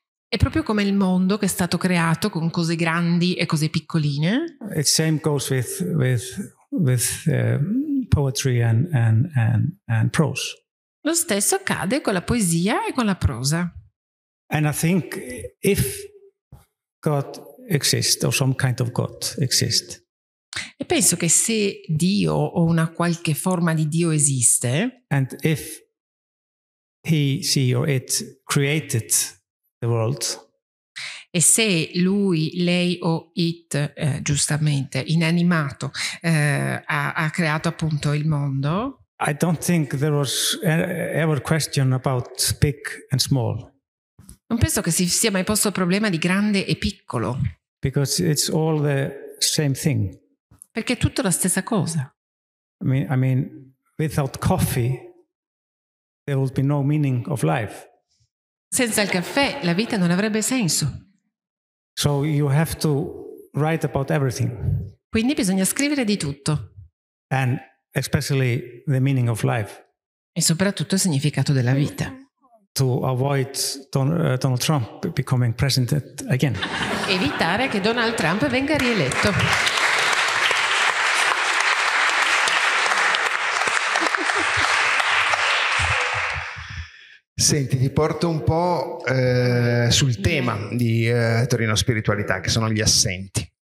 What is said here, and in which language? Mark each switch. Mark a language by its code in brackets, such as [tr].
[it] È proprio come il mondo che è stato creato con cose grandi e cose piccoline. [en] It same goes with poetry and prose. [it] Lo stesso accade con la poesia e con la prosa. [en] And I think if God exists, or some kind of God exists. [it] E penso che se Dio o una qualche forma di Dio esiste, [en] and if he, she, or it created the world, [it] e se lui, lei o it, giustamente, inanimato, ha creato appunto il mondo, [en] I don't think there was ever question about big and small. [it] Non penso che si sia mai posto il problema di grande e piccolo. [en] Because it's all the same thing. [it] Perché è tutta la stessa cosa. [en] I mean, without coffee, there would be no meaning of life. [it] Senza il caffè, la vita non avrebbe senso. [en] So you have to write about everything. [it] Quindi bisogna scrivere di tutto. [en] And especially the meaning of life. [it] E soprattutto il significato della vita. [en] To avoid Donald Trump becoming president again. [it] Evitare che Donald Trump venga rieletto. Senti, ti porto un po' sul tema di Torino Spiritualità, che sono gli assenti.